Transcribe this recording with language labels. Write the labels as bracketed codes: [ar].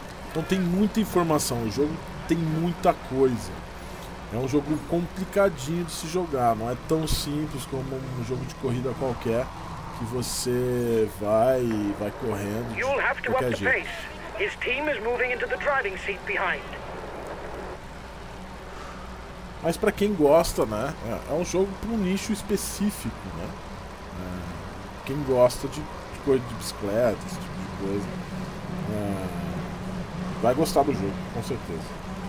[pt] Então tem muita informação. O jogo tem muita coisa. É um jogo complicadinho de se jogar. Não é tão simples como um jogo de corrida qualquer. Que você vai correndo. [en] You'll have to up the pace. His team is moving into the driving seat behind. [pt] Mas para quem gosta, né? É um jogo para um nicho específico, né? Quem gosta de coisa de bicicleta, esse tipo de coisa, vai gostar do jogo, com certeza.